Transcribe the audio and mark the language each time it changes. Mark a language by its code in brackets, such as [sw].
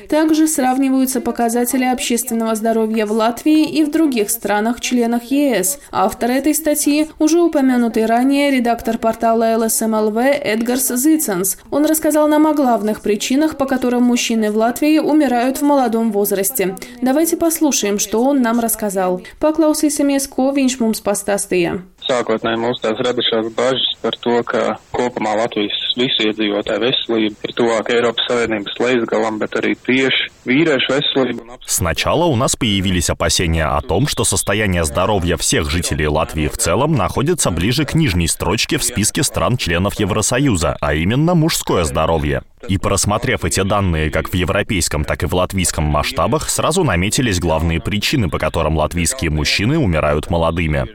[ru] Также сравниваются показатели общественного здоровья в Латвии и в других странах-членах ЕС. Автор этой статьи, уже упомянутый ранее, редактор портала LSM.LV Эдгарс Зицанс. Он рассказал нам о главных причинах, по которым мужчины в Латвии умирают в молодом возрасте. Давайте послушаем, что он нам рассказал. [lv] Paklausīsimies, ko viņš mums pastāstīja. Sākotnēji mums tās radušās bažas par to, ka kopumā Latvijas visu iedzīvotāju veselība ir tuvāk Eiropas Savienības leisgalam, bet arī tieši vīriešu veselība. [ru] Сначала у нас появились опасения о том, что состояние здоровья всех жителей Латвии в целом находится ближе к нижней строчке в списке стран-членов Евросоюза, а именно мужское здоровье. И просмотрев эти данные как в европейском, так и в латвийском масштабах, сразу наметились главные причины, по которым латвийские мужчины умирают молодыми.